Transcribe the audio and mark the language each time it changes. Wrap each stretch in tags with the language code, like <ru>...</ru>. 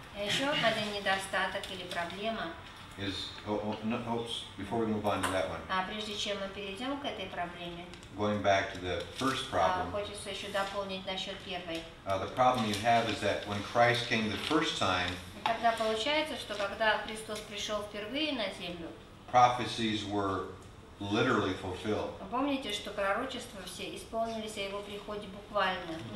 <ru>Еще один недостаток или проблема.</ru> <en>Is oops, before we move on to that one.</en> <ru>Прежде чем мы перейдем к этой проблеме.</ru> <en>Going back to the first problem.</en> <ru>Хочется еще дополнить насчет первой.</ru> <en>The problem you have is that when Christ came the first time.</en> <ru>Тогда получается, что когда Христос пришел впервые на землю.</ru> <en>Prophecies were literally fulfilled.</en> <ru>Помните, что пророчества все исполнились о его приходе буквально.</ru>